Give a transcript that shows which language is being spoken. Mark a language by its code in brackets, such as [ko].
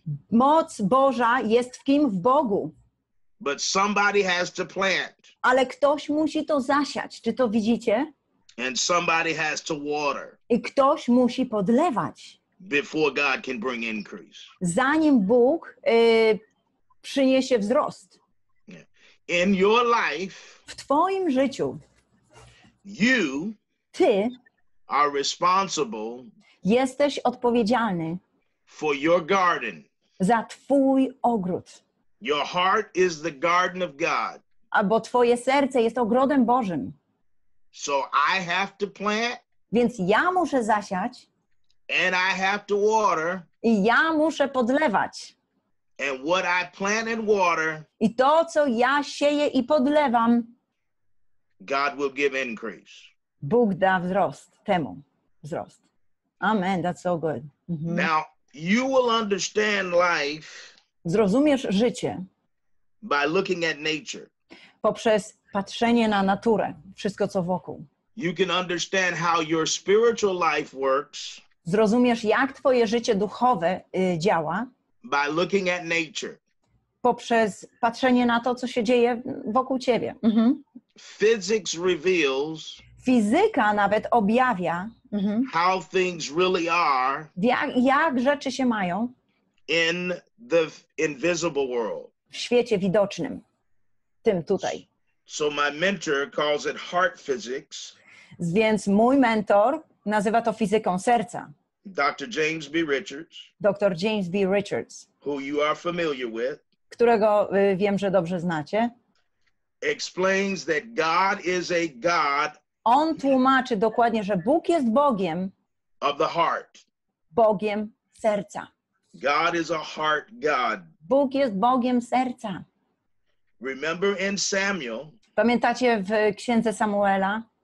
[pl] Moc Boża jest w kim? W Bogu. [en] But somebody has to plant. [pl] Ale ktoś musi to zasiać. Czy to widzicie? [en] And somebody has to water. [pl] I ktoś musi podlewać. [en] Before God can bring increase. [pl] Zanim Bóg przyniesie wzrost. [en] In your life, [pl] w twoim życiu, [en] you, [pl] ty, [en] are responsible, [pl] jesteś odpowiedzialny, [en] for your garden, [pl] za twój ogród, [en] your heart is the garden of God, [pl] albo twoje serce jest ogrodem Bożym, [en] so I have to plant, [pl] więc ja muszę zasiać, [en] and I have to water, [pl] i ja muszę podlewać. [en] And what I plant and water, [pl] i to, co ja sieję i podlewam, [en] God will give increase. [pl] Bóg da wzrost temu. Wzrost. [en] Amen, that's so good. Mm-hmm. Now, you will understand life, [pl] zrozumiesz życie, [en] by looking at nature. [pl] Poprzez patrzenie na naturę, wszystko co wokół. [en] You can understand how your spiritual life works, [pl] zrozumiesz, jak twoje życie duchowe działa, [en] by looking at nature. [pl] Poprzez patrzenie na to, co się dzieje wokół ciebie. Mm-hmm. [en] Physics reveals, [pl] fizyka nawet objawia, mm-hmm, [en] how things really are, [pl] jak rzeczy się mają, [en] in the invisible world, [pl] w świecie widocznym, tym tutaj. [en] So my mentor calls it heart physics. [pl] Więc mój mentor nazywa to fizyką serca. [en] Dr. James B. Richards. [pl] Dr. James B. Richards. [en] Who you are familiar with. [pl] Którego wiem, że dobrze znacie. [en] Explains that God is a God. [pl] On tłumaczy dokładnie, że Bóg jest Bogiem. [en] Of the heart. [pl] Bogiem serca. [en] God is a heart God. [pl] Bóg jest Bogiem serca. [en] Remember in Samuel. [pl] Pamiętacie w Księdze Samuela?